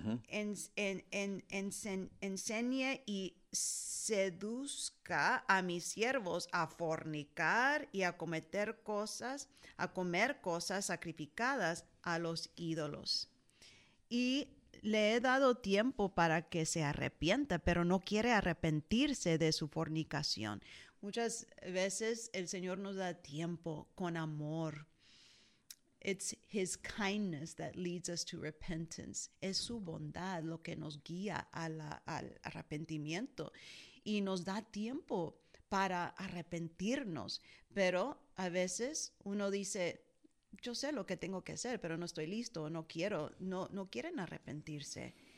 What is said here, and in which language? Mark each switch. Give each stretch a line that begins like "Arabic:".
Spanish: Enseñe y seduzca a mis siervos a fornicar y a cometer cosas, a comer cosas sacrificadas a los ídolos. Y le he dado tiempo para que se arrepienta, pero no quiere arrepentirse de su fornicación. Muchas veces el Señor nos da tiempo con amor.
English: It's His kindness that leads us to repentance.
Spanish: Es su bondad lo que nos guía al arrepentimiento y nos da tiempo para arrepentirnos. Pero a veces uno dice, yo sé lo que tengo que hacer, pero no estoy listo, no quiero, no quieren arrepentirse.